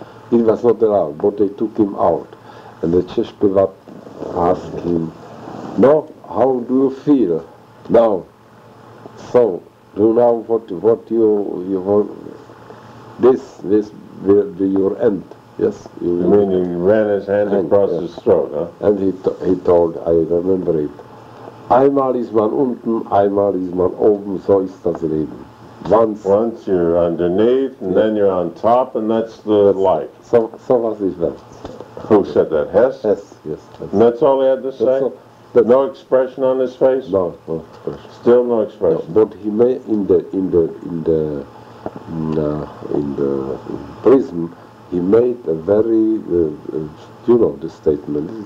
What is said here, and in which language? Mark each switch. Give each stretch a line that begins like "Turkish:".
English: It was not allowed, but they took him out. And the Cespiva asked him, no, how do you feel now? So do now what you want. This will be your end. Yes, you mean he ran his hand across yes. his throat, huh? And he told, I remember it.
German: Einmal ist man unten, einmal ist man oben, so ist das Leben.
English: Once you're underneath, and yes. then you're on top, and that's the that's, life.
German: So was ist das?
English: Who said that? Hess? Yes, yes. And that's all he had to say? That's all, that's no expression on his face? No, no expression. Still no expression. No, but he may, in the prison, he made a very, you know, the statement.